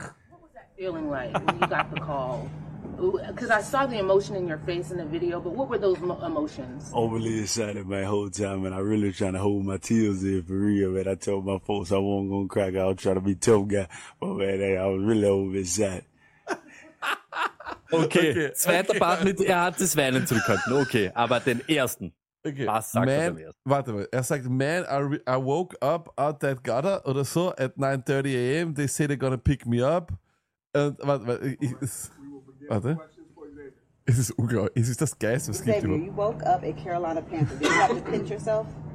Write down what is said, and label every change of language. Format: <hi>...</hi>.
<en>What was that feeling like when you got the call? Because I saw the emotion in your face in the video, but what were those emotions? Overly excited my whole time, and I really was trying to hold my tears in for real, man. I told my folks I wasn't going to cry, I'll try to be tough guy, but man, hey, I was really overexcited.</en> <de>Okay, zweiter Part mit, er hat das Weinen zurückhalten, okay, aber den ersten. Okay. Was sagt man, er dem ersten? Warte mal, er sagt, man,</de> <en>I woke up out that gutter</en> <de>oder so</de> <en>at 9:30 a.m., they say they're going to pick me up. And,</en> <de>warte. Es ist unglaublich. Es ist das Geist, was Xavier, gibt immer.</de> <en>You woke up a Carolina Panther. Did you have to pinch yourself?</en>